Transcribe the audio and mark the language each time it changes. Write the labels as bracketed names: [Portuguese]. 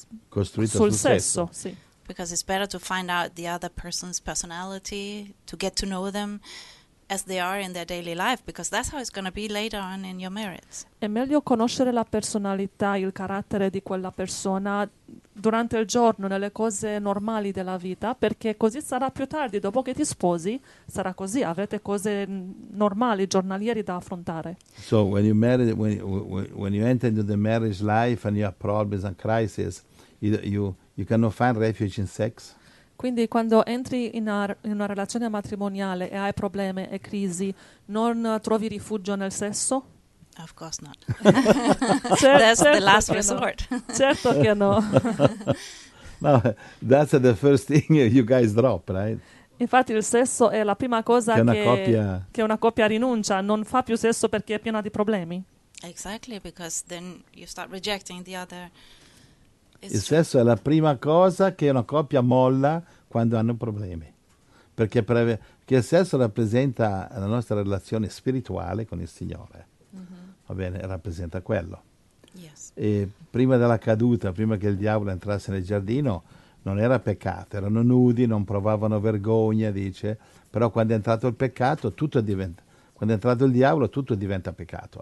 [Italian] costruito sul sesso, sì. [English] Because it's better to find out the other person's personality, to get to know them as they are in their daily life, because that's how it's going to be later on in your marriage. [Italian] È meglio conoscere la personalità, il carattere di quella persona durante il giorno, nelle cose normali della vita, perché così sarà più tardi, dopo che ti sposi, sarà così, avrete cose normali, giornalieri da affrontare. [English] So when you marry, when you enter into the marriage life and you have problems and crises, you cannot find refuge in sex. [Italian] Quindi quando entri in una relazione matrimoniale e hai problemi e crisi, non trovi rifugio nel sesso? [English] Of course not. That's [Italian] certo [English] the last resort. [Italian] No. Certo che no. [English] No, that's the first thing you guys drop, right? [Italian] Infatti il sesso è la prima cosa che una coppia rinuncia, non fa più sesso perché è piena di problemi. [English] Exactly, because then you start rejecting the other. [Italian] Il sesso è la prima cosa che una coppia molla quando hanno problemi, perché il sesso rappresenta la nostra relazione spirituale con il Signore, mm-hmm. Va bene, rappresenta quello. [English] Yes. [Italian] E prima della caduta, prima che il diavolo entrasse nel giardino, non era peccato, erano nudi, non provavano vergogna, dice, però quando è entrato il peccato, quando è entrato il diavolo, tutto diventa peccato.